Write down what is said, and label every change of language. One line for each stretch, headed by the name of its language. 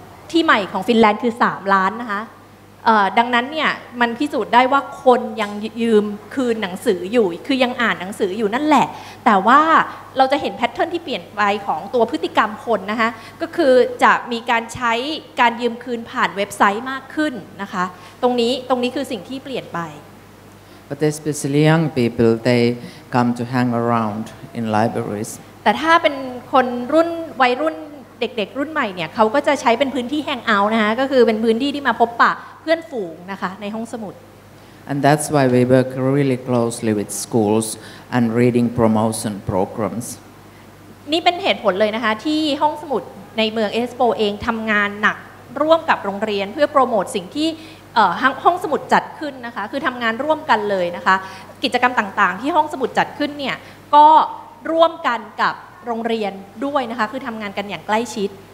Thai: ที่ใหม่ของฟินแลนด์คือ3ล้านนะคะดังนั้นเนี่ยมันพิสูจน์ได้ว่าคนยังยืมคืนหนังสืออยู่คือยังอ่านหนังสืออยู่นั่นแหละแต่ว่าเราจะเห็นแพทเทิร์นที่เปลี่ยนไปของตัวพฤติกรรมคนนะคะก็คือจะมีการใช้การยืมคืนผ่านเว็บไซต์มากขึ้นนะคะตรงนี้คือสิ่งที่เปลี่ยนไป
English: But especially young people they come to hang around in libraries
Thai: แต่ถ้าเป็นคนรุ่นวัยรุ่นเด็กๆรุ่นใหม่เนี่ยเขาก็จะใช้เป็นพื้นที่แฮงเอาท์นะคะก็คือเป็นพื้นที่ที่มาพบปะเพื่อนฝูงนะคะในห้องสมุด
English: And that's why we work really closely with schools and reading promotion programs
Thai: นี่เป็นเหตุผลเลยนะคะที่ห้องสมุดในเมืองเอสโปเองทำงานหนักร่วมกับโรงเรียนเพื่อโปรโมทสิ่งที่ห้องสมุดจัดขึ้นนะคะคือทำงานร่วมกันเลยนะคะกิจกรรมต่างๆที่ห้องสมุดจัดขึ้นเนี่ยก็ร่วมกันกับโรงเรียนด้วยนะคะคือทำงานกันอย่างใกล้ชิด